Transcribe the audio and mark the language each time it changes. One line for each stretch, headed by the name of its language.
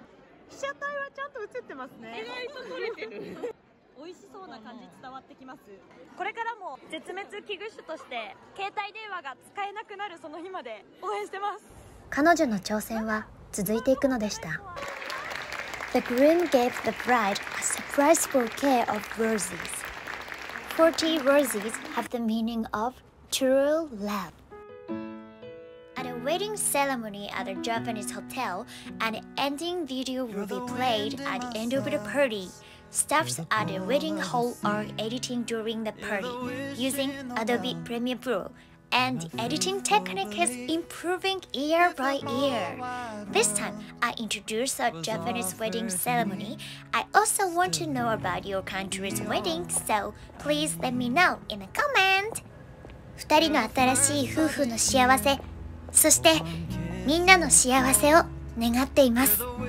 Japanese: 被写体はちゃんと写ってますね。えらいと撮れてる。美味しそうな感じ伝わってきます。これからも絶滅危惧種として携帯電話が使えなくなるその日まで応援してます。彼女の挑戦は続いていくのでした。
English: The groom gave the bride a surprise bouquet of roses. 40 roses have the meaning of true love. At a wedding ceremony at a Japanese hotel, an ending video will be played at the end of the party. Staffs at the wedding hall are editing during the party using Adobe Premiere Pro. And editing technique is improving year by year. This time, I introduce a Japanese wedding ceremony. I also want to know about your country's wedding, so please let me know in a comment.
Japanese: 二人の新しい夫婦の幸せ、そしてみんなの幸せを願っています。